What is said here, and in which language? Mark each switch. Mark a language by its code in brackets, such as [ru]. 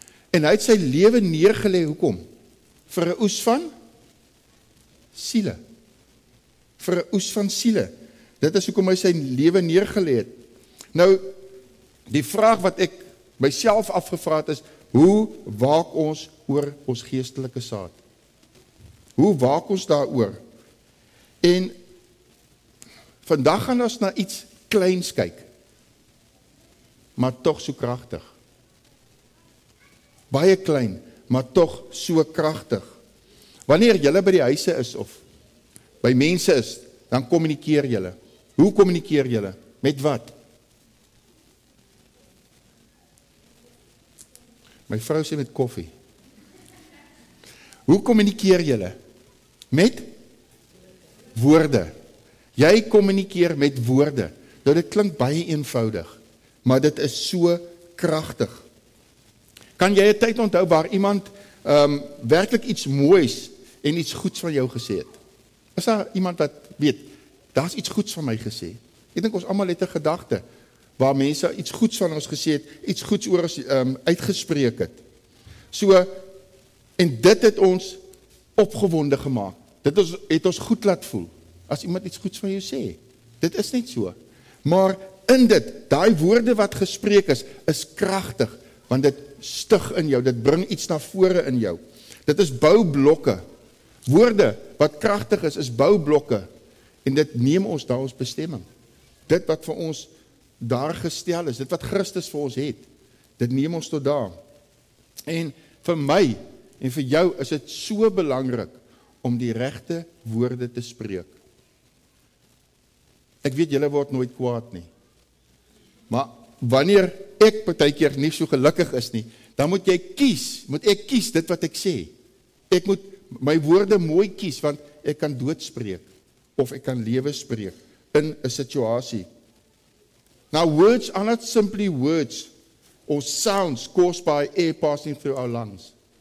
[af] En hy het sy lewe neergelê, hoekom? Vir 'n oes van siele. Vir 'n oes van siele. Dit is hoekom hy sy lewe neergelê het. Nou, die vraag wat ek myself afgevra het is, hoe waak ons oor ons geestelike saad? Hoe waak ons daaroor? En vandag gaan ons na iets kleins kyk, maar toch so krachtig. Baie klein, maar toch so krachtig. Wanneer julle by die huise is, of by mense is, dan kommunikeer julle. Hoe kommunikeer julle? Met wat? My vrou sê met koffie. Hoe kommunikeer julle? Met woorde. Jy kommunikeer met woorde. Nou, dit klink baie eenvoudig, maar dit is so krachtig. Kan jy 'n tyd onthou waar iemand werklik iets moois en iets goeds van jou gesê het? Is daar iemand wat weet, daar is iets goeds van my gesê? Ek dink ons allemaal het 'n gedagte waar mense iets goeds van ons gesê het, iets goeds oor ons uitgespreek het. So, en dit het ons opgewonde gemaakt. Dit het ons goed laat voel, as iemand iets goeds van jou sê. Dit is net so. Maar in dit, die woorde wat gespreek is, is krachtig, want dit stig in jou, dit bring iets na vore in jou. Dit is bouwblokke. Woorde wat krachtig is, is bouwblokke. En dit neem ons daar ons bestemming. Dit wat vir ons daar gestel is, dit wat Christus vir ons het, dit neem ons tot daar. En vir my en vir jou is dit so belangrik om die regte woorde te spreek. Ek weet, julle word nooit kwaad nie. Maar wanneer ek partykeer nie so gelukkig is nie, dan moet jy kies, moet ek kies dit wat ek sê. Ek moet my woorde mooi kies, want ek kan dood spreek, of ek kan lewe spreek in 'n situasie. [en] Now words are not simply words or sounds caused by air passing through our lungs.